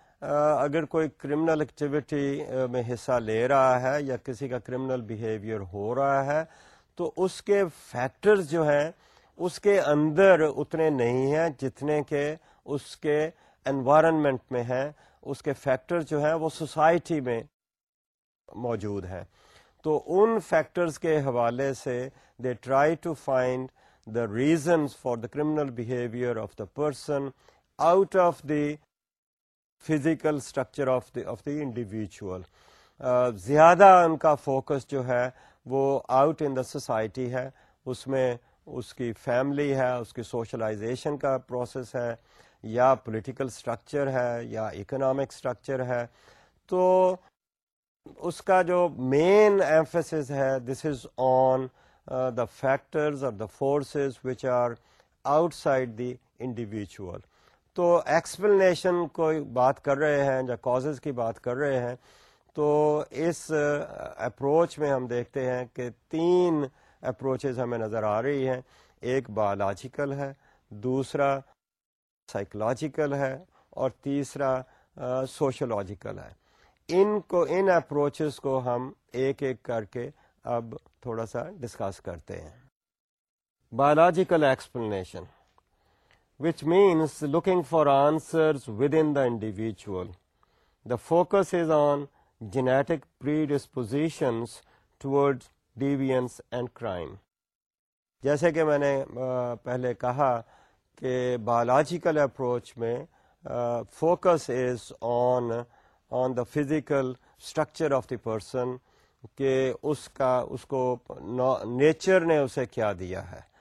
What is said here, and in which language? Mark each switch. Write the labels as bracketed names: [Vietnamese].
[Urdu] اگر کوئی criminal activity میں حصہ لے رہا ہے یا کسی کا کرمنل بیہیویئر ہو رہا ہے تو اس کے فیکٹرز جو ہیں اس کے اندر اتنے نہیں ہیں جتنے کہ اس کے انوائرنمنٹ میں ہیں, اس کے فیکٹرز جو ہیں وہ سوسائٹی میں موجود ہیں. تو ان فیکٹرز کے حوالے سے [English] They try to find the reasons for the criminal behaviour of the person out of the physical structure of the individual. [Urdu] زیادہ ان کا فوکس جو ہے وہ [English] out in the society [Urdu] ہے, اس میں اس کی فیملی ہے, اس کی سوشلائزیشن کا پروسیس ہے, یا پولیٹیکل اسٹرکچر ہے, یا اکنامک اسٹرکچر ہے. تو اس کا جو مین ایمفیسس ہے, [English] This is on the factors اور the forces which are outside the individual. [Urdu] تو ایکسپلینیشن کو بات کر رہے ہیں یا کازز کی بات کر رہے ہیں, تو اس اپروچ میں ہم دیکھتے ہیں کہ تین اپروچز ہمیں نظر آ رہی ہیں. ایک بایولوجیکل ہے, دوسرا سائیکولوجیکل ہے, اور تیسرا سوشیولوجیکل ہے. ان اپروچز کو ہم ایک ایک کر کے اب تھوڑا سا ڈسکس کرتے ہیں. [English] Biological explanation, which means looking for answers within the individual. The focus is on genetic predispositions towards deviance and crime. [Urdu] جیسے کہ میں نے پہلے کہا کہ biological approach میں [English] focus is on the physical structure of the person, [Urdu] کہ اس کو نیچر نے اسے کیا دیا ہے.